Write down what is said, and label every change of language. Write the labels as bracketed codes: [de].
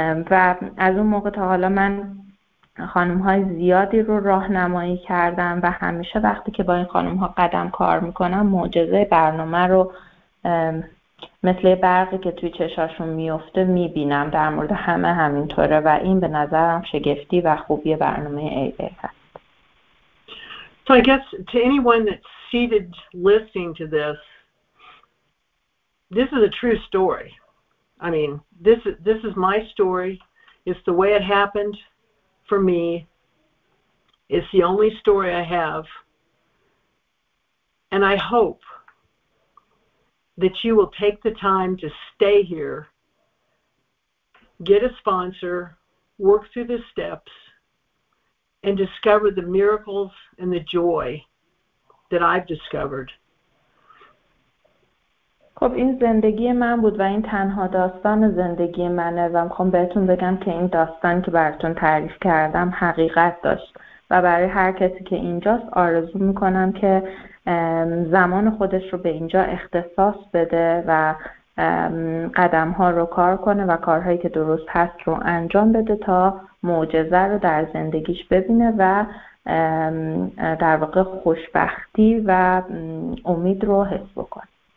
[fa] و از اون موقع تا حالا من خانم های زیادی رو راهنمایی کردم و همیشه وقتی که با این خانم ها قدم کار میکنم، معجزه برنامه رو مثل برقی که توی چشاشون میفته میبینم. در مورد همه همینطوره و این به نظرم شگفتی و خوبی برنامه AA هست. [en] So I guess to anyone that's seated listening to this, this is a true story. I mean, this is my story. It's the way it happened for me. It's the only story I have. And I hope that you will take the time to stay here, get a sponsor, work through the steps, and discover the miracles and the joy that I've discovered. [fa] خب این زندگی من بود و این تنها داستان زندگی منه و میخوام بهتون بگم که این داستان که براتون تعریف کردم حقیقت داشت و برای هر کسی که اینجاست آرزو میکنم که زمان خودش رو به اینجا اختصاص بده و قدم ها رو کار کنه و کارهایی که درست هست رو انجام بده تا معجزه رو در زندگیش ببینه و در واقع خوشبختی و امید رو حس بکنه.